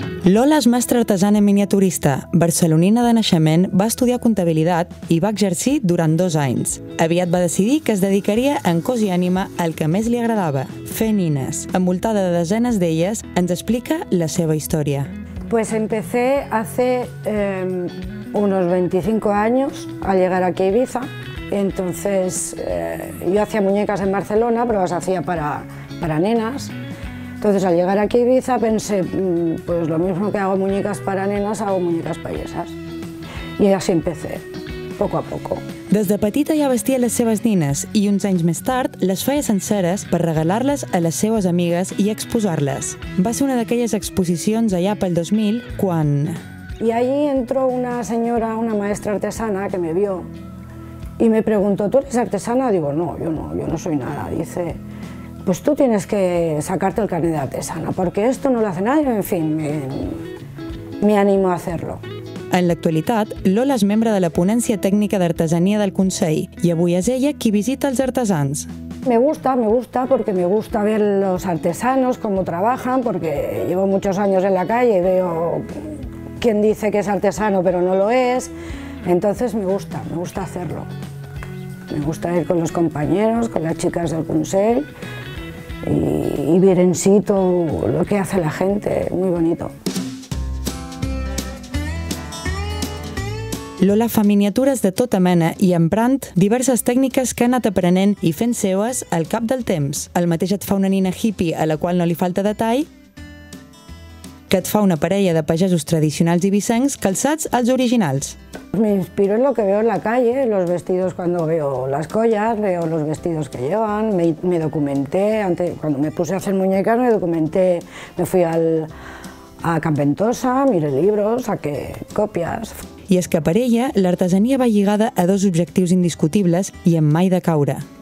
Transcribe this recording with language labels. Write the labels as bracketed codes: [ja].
[ca] Lola és mestra artesana miniaturista. Barcelonina de naixement, va estudiar comptabilitat i va exercir durant 2 anys. Aviat va decidir que es dedicaria en cos i ànima al que més li agradava, fer nines. Envoltada de desenes d'elles, ens explica la seva història. [es] Pues empecé hace unos 25 años a llegar aquí a Ibiza. Entonces yo hacía muñecas en Barcelona, pero las hacía para nenas. Entonces al llegar aquí a Ibiza pensé, pues lo mismo que hago muñecas para nenas, hago muñecas payesas. Y así empecé, poco a poco. [ca] Des de petita ja vestia les seves nines i uns anys més tard les feia senceres per regalar-les a les seves amigues i exposar-les. Va ser una d'aquelles exposicions allà pel 2000 quan... [es] Y allí entró una señora, una maestra artesana que me vio y me preguntó, ¿tú eres artesana? Digo, no, yo no soy nada. Dice, pues tú tienes que sacarte el carnet de artesana porque esto no lo hace nadie, en fin, me animo a hacerlo. [ca] En l'actualitat, Lola és membre de la Ponència Tècnica d'Artesania del Consell i avui és ella qui visita els artesans. [es] Me gusta porque me gusta ver los artesanos, cómo trabajan, porque llevo muchos años en la calle y veo quien dice que es artesano pero no lo es. Entonces me gusta hacerlo. Me gusta ir con los compañeros, con las chicas del Consell y ver en situ lo que hace la gente, muy bonito. [ca] Lola fa miniatures de tota mena i emprant diverses tècniques que ha anat aprenent i fent seues al cap del temps. El mateix et fa una nina hippie a la qual no li falta detall, que et fa una parella de pagesos tradicionals ibicencs calçats als originals. [es] Me inspiro en lo que veo en la calle, los vestidos cuando veo las collas, veo los vestidos que llevan, me documenté, antes, cuando me puse a hacer muñecas me documenté, me fui a Camp Ventosa, miré libros, saqué copias. [ca] I és que per ella l'artesania va lligada a dos objectius indiscutibles i en mai de caure.